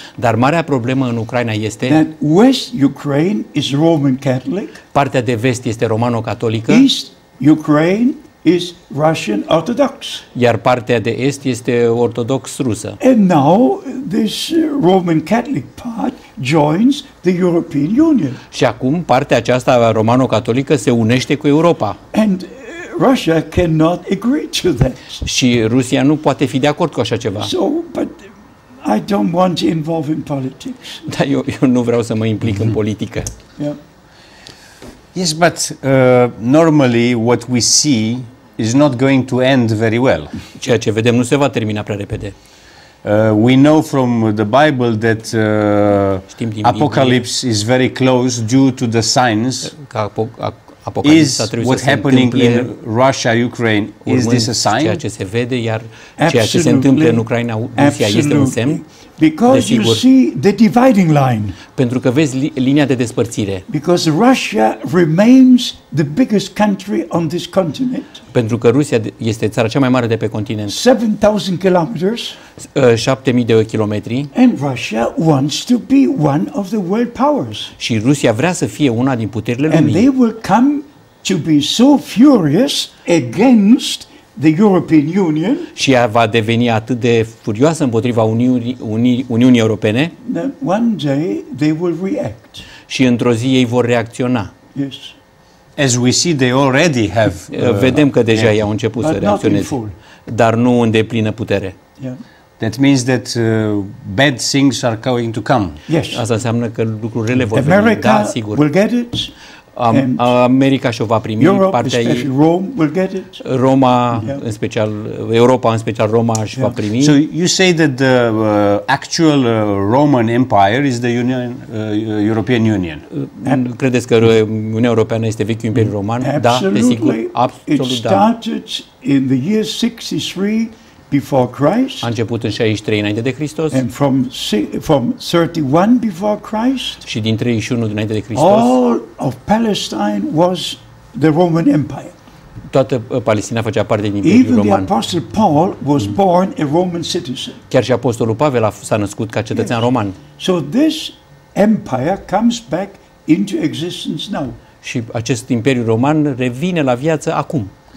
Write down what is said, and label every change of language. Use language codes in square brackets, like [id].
[ro] Dar marea problemă în Ucraina este. [en] That West Ukraine is Roman Catholic. [ro] Partea de vest este romano-catolică. [en] East Ukraine is Russian Orthodox. [ro] Iar partea de est este ortodox rusă. [en] And now this Roman Catholic part joins the European Union. [ro] Și acum partea aceasta romano-catolică se unește cu Europa. [en] And Russia cannot agree to that. [ro] Și Rusia nu poate fi de acord cu așa ceva. [en] So, but I don't want to involve in politics. [ro] Da, eu nu vreau să mă implic în politică. [en] Yeah. Yes, but normally what we see is not going to end very well. [ro] Ceea ce vedem nu se va termina prea repede. [en] We know from the Bible that apocalypse is very close due to the signs. Is what happening in Russia, Ukraine, is this a sign? [ro] Ceea ce se vede, iar ceea ce se întâmplă în Ucraina, Rusia, este un semn? [en] Because you see the dividing line. [ro] Pentru că vezi linia de despărțire. [en] Because Russia remains the biggest country on this continent. [ro] Pentru că Rusia este țara cea mai mare de pe continent. [en] 7000 kilometers. [ro] 7000 de kilometri. [en] And Russia wants to be one of the world powers. [ro] Și Rusia vrea să fie una din puterile lumii. [en] And they will come to be so furious against the European Union. [ro] Și ea va deveni atât de furioasă împotriva Uniunii Europene. [en] One day they will react. [ro] Și într-o zi ei vor reacționa. [en] Yes. As we see they already have. [ro] Vedem că deja ei au început să reacționeze. Dar nu în deplină putere. [en] Yeah. That means that bad things are going to come. Yes. [ro] Asta înseamnă că lucruri rele vor [en] America [ro] veni. Da, sigur. [en] Will get it. [ro] America și-o va primi, [en] Europe, [ro] partea ei, [en] Rome will get it. [ro] Roma, yeah. În special, Europa, în special Roma, și va primi. [en] So you say that the actual Roman Empire is the Union, European Union. [ro] Credeți că Uniunea Europeană este vechiul imperiu roman? Da, desigur, absolut da. [en] It started in the year 63 before Christ. [ro] A început în 63 înainte de Hristos. [en] And from 31 before Christ. [ro] Și din 31 înainte de Hristos. [en] All of Palestine was the Roman Empire. [ro] Toată Palestina făcea parte din Imperiul Roman. [en] Even the Apostle Paul was born a Roman citizen. [ro] Chiar și Apostolul Pavel s-a născut ca cetățean roman. [en] So this empire comes back into existence now. [ro] Și acest imperiu roman revine la viață acum.